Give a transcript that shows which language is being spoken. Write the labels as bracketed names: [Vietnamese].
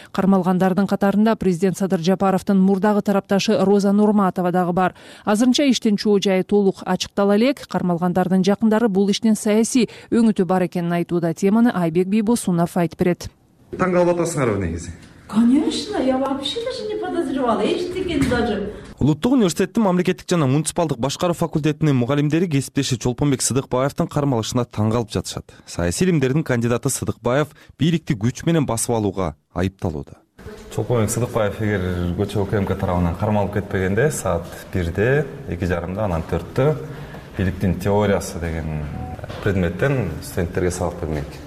[Kyrgyz] Кармалгандардын катарында президент Садыр Жапаровдун мурдагы тарапташы Роза Нурматова дагы бар. Азырынча иштин чоо жайы толук ачыктала элек. Кармалгандардын жакындары бул иштин саясий өңүтү бар экенин айтууда. Теманы Айбек Бибосунов айтып берет. Таң калып атасыңарбы негизи? [Russian] Конечно, я вообще даже не подозревала. [Kyrgyz] Эчтекени даже. Улуттук университеттин мамлекеттик жана муниципалдык башкаруу факультетинин мугалимдери кесиптеши Чолпонбек Сыдыкбаевдин кармалышына таң калып жатышат. Саясий илимдердин кандидаты Сыдыкбаев бийликти күч менен басып алууга айыпталууда. Чолпонбек Сыдыкбаев эгер көчөгө КМК тарабынан кармалып кетпегенде саат 1:00, 2:30, анан 4:00 бийликтин теориясы деген предметтен студенттерге сабак бермек.